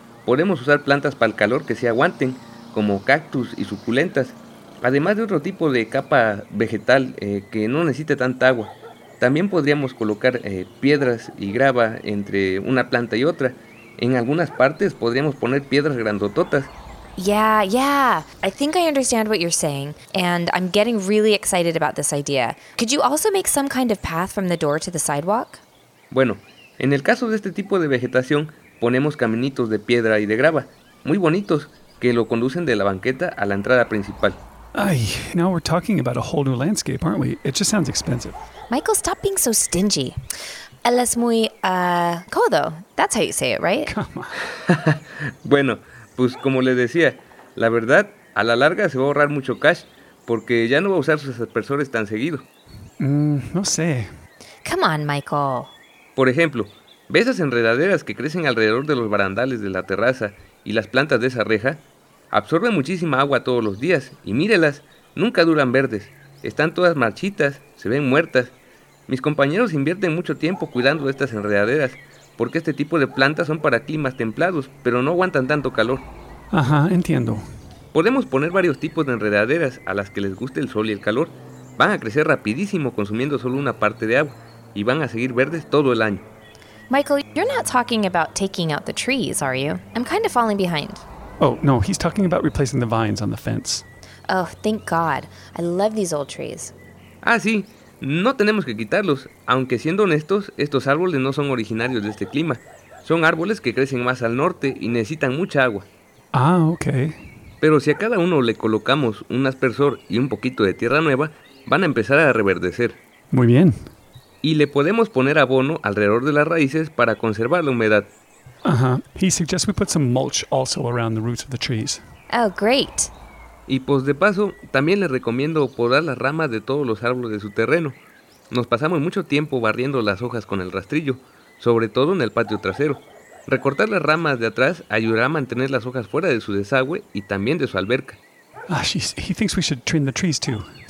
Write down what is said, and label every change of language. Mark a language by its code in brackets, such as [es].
[es] Podemos usar plantas para el calor que se aguanten, como cactus y suculentas, además de otro tipo de capa vegetal que no necesite tanta agua. También podríamos colocar piedras y grava entre una planta y otra. En algunas partes podríamos poner piedras grandototas. [en] Yeah, yeah. I think I understand what you're saying, and I'm getting really excited about this idea. Could you also make some kind of path from the door to the sidewalk? [es] Bueno, en el caso de este tipo de vegetación, ponemos caminitos de piedra y de grava, muy bonitos, que lo conducen de la banqueta a la entrada principal. [en] Ay, now we're talking about a whole new landscape, aren't we? It just sounds expensive. Michael, stop being so stingy. [es] Él es muy, codo. [en] That's how you say it, right? Come on. [es] Bueno, pues como les decía, la verdad, a la larga se va a ahorrar mucho cash, porque ya no va a usar sus aspersores tan seguido. No sé. [en] Come on, Michael. [es] Por ejemplo, ¿ves esas enredaderas que crecen alrededor de los barandales de la terraza y las plantas de esa reja? Absorben muchísima agua todos los días, y mírelas, nunca duran verdes. Están todas marchitas, se ven muertas. Mis compañeros invierten mucho tiempo cuidando de estas enredaderas, porque este tipo de plantas son para climas templados, pero no aguantan tanto calor. Ajá, entiendo. Podemos poner varios tipos de enredaderas a las que les guste el sol y el calor. Van a crecer rapidísimo consumiendo solo una parte de agua, y van a seguir verdes todo el año. [en] Michael, you're not talking about taking out the trees, are you? I'm kind of falling behind. Oh, no, he's talking about replacing the vines on the fence. Oh, thank God. I love these old trees. [es] Ah, sí. No tenemos que quitarlos. Aunque siendo honestos, estos árboles no son originarios de este clima. Son árboles que crecen más al norte y necesitan mucha agua. Ah, ok. Pero si a cada uno le colocamos un aspersor y un poquito de tierra nueva, van a empezar a reverdecer. Muy bien. Y le podemos poner abono alrededor de las raíces para conservar la humedad. Ajá. [en] He suggests we put some mulch also around the roots of the trees. Oh, great. [es] Y pues de paso, también le recomiendo podar las ramas de todos los árboles de su terreno. Nos pasamos mucho tiempo barriendo las hojas con el rastrillo, sobre todo en el patio trasero. Recortar las ramas de atrás ayudará a mantener las hojas fuera de su desagüe y también de su alberca. [en] Ah, he thinks we should trim the trees too.